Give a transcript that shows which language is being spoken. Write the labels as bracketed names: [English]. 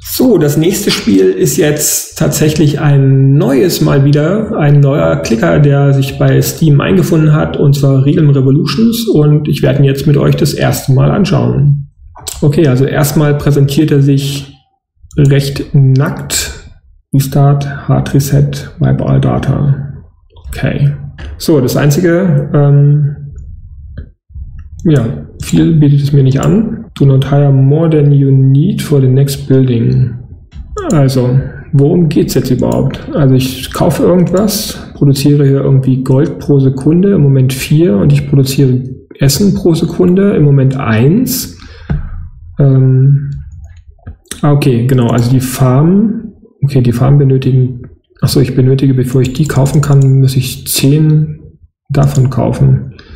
[German] So, das nächste Spiel ist jetzt tatsächlich ein neues Mal wieder, ein neuer Clicker, der sich bei Steam eingefunden hat, und zwar Realm Revolutions, und ich werde ihn jetzt mit euch das erste Mal anschauen. Okay, also erstmal präsentiert er sich recht nackt. [English] Restart, Hard Reset, Wipe All Data. Okay. [German] So, das Einzige, ja, viel bietet es mir nicht an. [English] Do not hire more than you need for the next building. [German] Also, worum geht's jetzt überhaupt? Also, ich kaufe irgendwas, produziere hier irgendwie Gold pro Sekunde, im Moment 4, und ich produziere Essen pro Sekunde, im Moment 1. Okay, genau, also die Farm, okay, die Farm benötigen, achso, ich benötige, bevor ich die kaufen kann, muss ich 10 davon kaufen.